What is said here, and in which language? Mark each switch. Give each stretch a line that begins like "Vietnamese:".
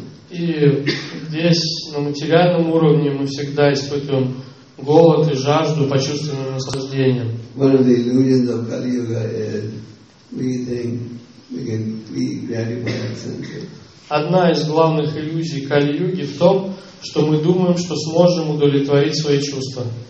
Russian: И здесь, на материальном уровне, мы всегда испытываем голод и жажду по чувственным наслаждениям.
English: One of the illusions of Kali Yuga is we think we can be gratified sensually.
Russian: Одна из главных иллюзий Кали Юги в том, что мы думаем, что сможем удовлетворить свои чувства.